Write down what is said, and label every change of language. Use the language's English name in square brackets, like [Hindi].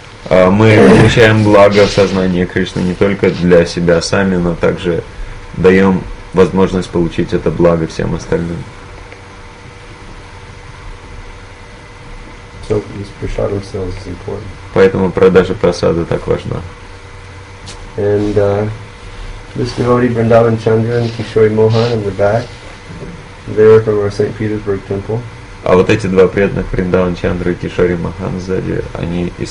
[Russian] Мы получаем благо в сознании Кришны не только для себя сами, но также даем возможность получить это благо всем остальным. [English] So these prasadam sales is important. [Russian] Поэтому продажа прасада так важна. [English] And this devotee Vrindavan Chandra and Kishori Mohan in the back, there from our St. Petersburg temple. [Russian] А вот эти два преданных, Вриндаван Чандра и Кишори Махан сзади, они из